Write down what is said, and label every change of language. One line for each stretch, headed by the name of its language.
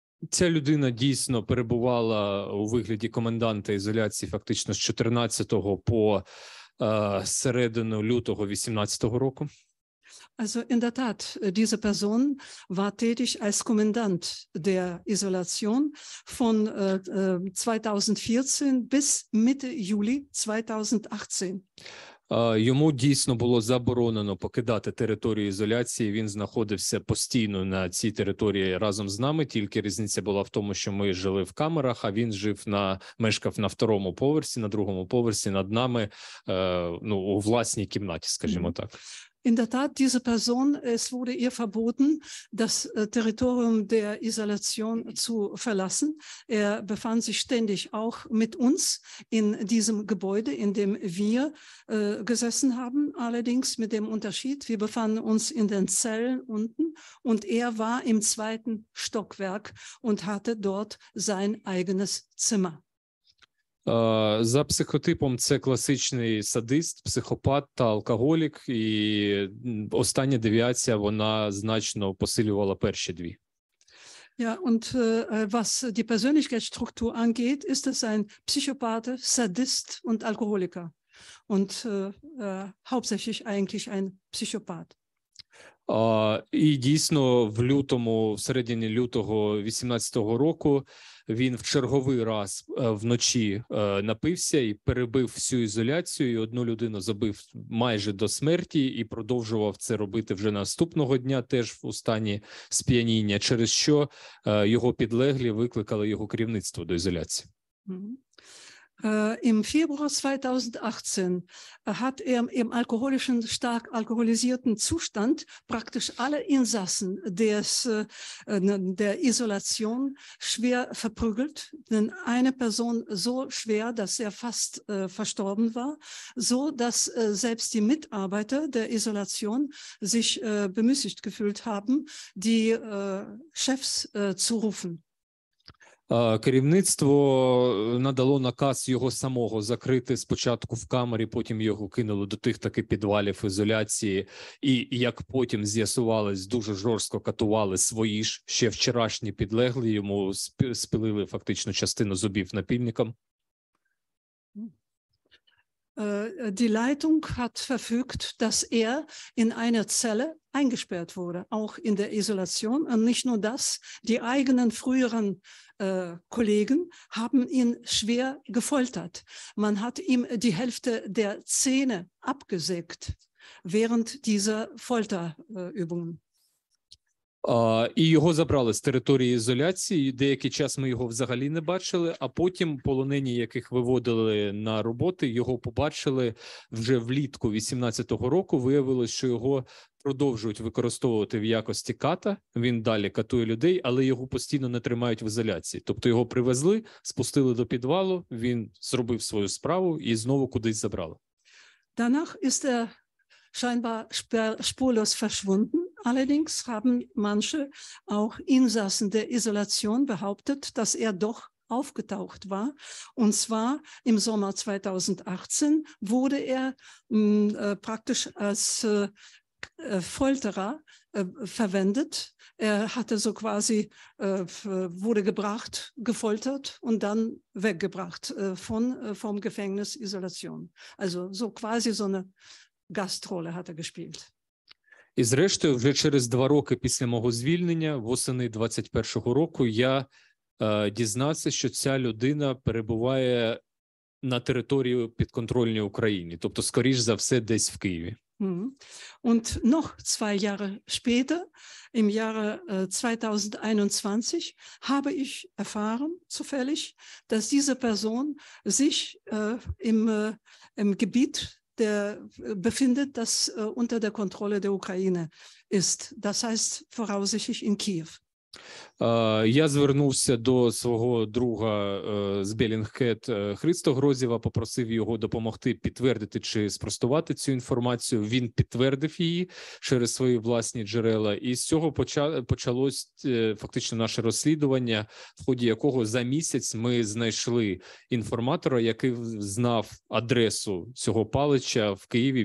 Ukrainian: Ця людина дійсно перебувала у вигляді коменданта ізоляції фактично з 14 по середину лютого 18-го року.
German: Also in der Tat, diese Person war tätig als Kommandant der Isolation von 2014 bis Mitte Juli 2018.
Ukrainian: Йому дійсно було заборонено покидати територію ізоляції. Він знаходився постійно на цій території разом з нами. Тільки різниця була в тому, що ми жили в камерах, а він мешкав на второму поверсі, на другому поверсі над нами, ну, у власній кімнаті, скажімо так.
German: In der Tat, diese Person, es wurde ihr verboten, das Territorium der Isolation zu verlassen. Er befand sich ständig auch mit uns in diesem Gebäude, in dem wir gesessen haben. Allerdings mit dem Unterschied, wir befanden uns in den Zellen unten und er war im zweiten Stockwerk und hatte dort sein eigenes Zimmer.
Ukrainian: За психотипом це класичний садист, психопат та алкоголік, і остання девіація, вона значно посилювала перші дві.
German: Ja, und was die Persönlichkeitsstruktur angeht, ist es ein Psychopath, Sadist und Alkoholiker. Und hauptsächlich eigentlich ein Psychopath.
Ukrainian: І дійсно в середині лютого 18-го року він в черговий раз вночі напився і перебив всю ізоляцію, і одну людину забив майже до смерті, і продовжував це робити вже наступного дня теж у стані сп'яніння, через що його підлеглі викликали його керівництво до ізоляції.
German: Im Februar 2018 hat er im alkoholischen, stark alkoholisierten Zustand praktisch alle Insassen der Isolation schwer verprügelt. Denn eine Person so schwer, dass er fast verstorben war, so dass selbst die Mitarbeiter der Isolation sich bemüßigt gefühlt haben, die Chefs zu rufen.
Ukrainian: Керівництво надало наказ його самого закрити спочатку в камері, потім його кинуло до тих таки підвалів ізоляції. І, як потім з'ясувалось, дуже жорстко катували свої ж, ще вчорашні підлеглі йому, спилили фактично частину зубів напільникам.
German: Die Leitung hat verfügt, dass in einer Zelle eingesperrt wurde, auch in der Isolation. Und nicht nur das, die eigenen früheren Kollegen haben ihn schwer gefoltert. Man hat ihm die Hälfte der Zähne abgesägt während dieser Folterübungen.
Ukrainian: І його забрали з території ізоляції, деякий час ми його взагалі не бачили, а потім полонені, яких виводили на роботи, його побачили вже влітку 18-го року, виявилось, що його продовжують використовувати в якості ката, він далі катує людей, але його постійно не тримають в ізоляції. Тобто його привезли, спустили до підвалу, він зробив свою справу і знову кудись забрали.
German: Danach ist er scheinbar spurlos verschwunden. Allerdings haben manche, auch Insassen der Isolation, behauptet, dass doch aufgetaucht war. Und zwar im Sommer 2018 wurde praktisch als Folterer verwendet. Er hatte so quasi, wurde gebracht, gefoltert und dann weggebracht vom Gefängnis Isolation. Also so quasi so eine Gastrolle hat gespielt.
Ukrainian: І зрештою, вже через два роки після мого звільнення, восени 21-го року, я дізнався, що ця людина перебуває на території підконтрольній Україні. Тобто, скоріш за все, десь в Києві.
German: Und noch zwei Jahre später, im Jahre 2021, habe ich erfahren, zufällig, dass diese Person sich im Gebiet der befindet, das unter der Kontrolle der Ukraine ist. Das heißt, voraussichtlich in Kiew.
Ukrainian: Я звернувся до свого друга з Bellingcat Христо Грозєва, попросив його допомогти підтвердити чи спростувати цю інформацію. Він підтвердив її через свої власні джерела. І з цього почалось фактично наше розслідування, в ході якого за місяць ми знайшли інформатора, який знав адресу цього Палича в Києві.